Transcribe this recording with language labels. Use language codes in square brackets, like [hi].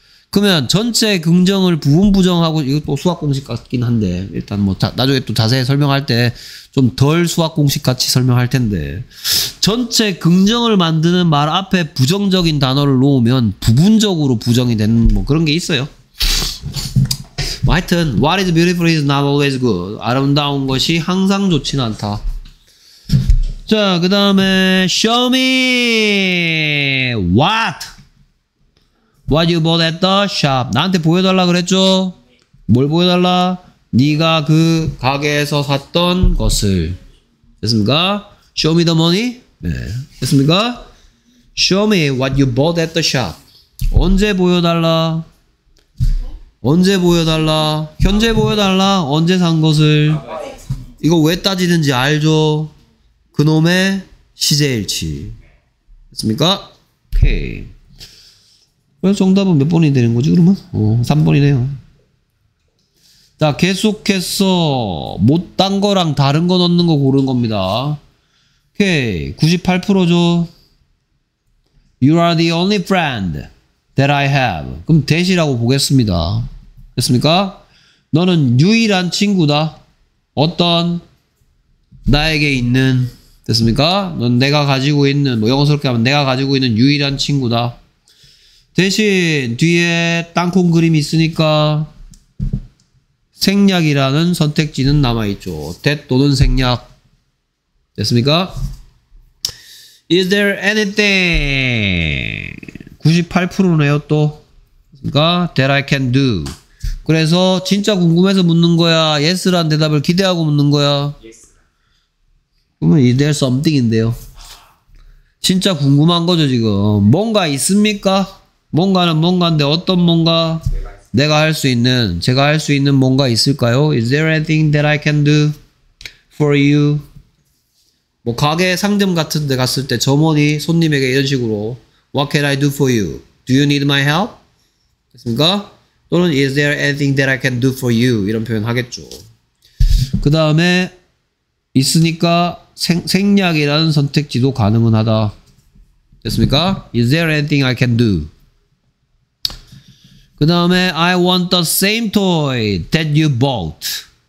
[ko] 그러면 전체 긍정을 부분 부정하고 이것도 수학 공식 같긴 한데 일단 뭐 나중에 또 자세히 설명할 때 좀 덜 수학 공식 같이 설명할 텐데 전체 긍정을 만드는 말 앞에 부정적인 단어를 놓으면 부분적으로 부정이 되는 뭐 그런 게 있어요. 뭐 하여튼 [en] what is beautiful is not always good. [ko] 아름다운 것이 항상 좋지는 않다. 자, 그 다음에 [en] show me what you bought at the shop. [ko] 나한테 보여달라 그랬죠? 뭘 보여달라? 네가 그 가게에서 샀던 것을. 됐습니까? [en] Show me the money. [ko] 네. 됐습니까? [en] Show me what you bought at the shop. [ko] 언제 보여달라? 언제 보여달라? 현재 보여달라? 언제 산 것을? 이거 왜 따지는지 알죠? 그놈의 시제일치. 됐습니까? 오케이. 그래서 정답은 몇 번이 되는 거지 그러면? 오, 3번이네요. 자, 계속해서 못 딴 거랑 다른 거 넣는 거 고른 겁니다. 오케이, 98%죠. [en] You are the only friend that I have. [ko] 그럼 that이라고 보겠습니다. 됐습니까? 너는 유일한 친구다. 어떤 나에게 있는, 됐습니까? 넌 내가 가지고 있는, 뭐 영어스럽게 하면 내가 가지고 있는 유일한 친구다. 대신 뒤에 땅콩 그림이 있으니까 생략이라는 선택지는 남아있죠. [en] that [ko] 또는 생략. 됐습니까? [en] Is there anything? [ko] 98%네요 또. 됐습니까? [en] that I can do. [ko] 그래서 진짜 궁금해서 묻는 거야? yes란 대답을 기대하고 묻는 거야? [en] yes. [ko] 그러면 is there something인데요. 진짜 궁금한 거죠 지금. 뭔가 있습니까? 뭔가는 뭔가인데 어떤 뭔가? 내가 할 수 있는, 제가 할 수 있는 뭔가 있을까요? [en] Is there anything that I can do for you? [ko] 뭐 가게 상점 같은 데 갔을 때 점원이 손님에게 이런 식으로 [en] What can I do for you? Do you need my help? [ko] 됐습니까? [en] 또는 Is there anything that I can do for you? [ko] 이런 표현 하겠죠. 그 다음에 있으니까 생략이라는 선택지도 가능은 하다. 됐습니까? [en] Is there anything I can do? [ko] 그 다음에 [en] I want the same toy that you bought.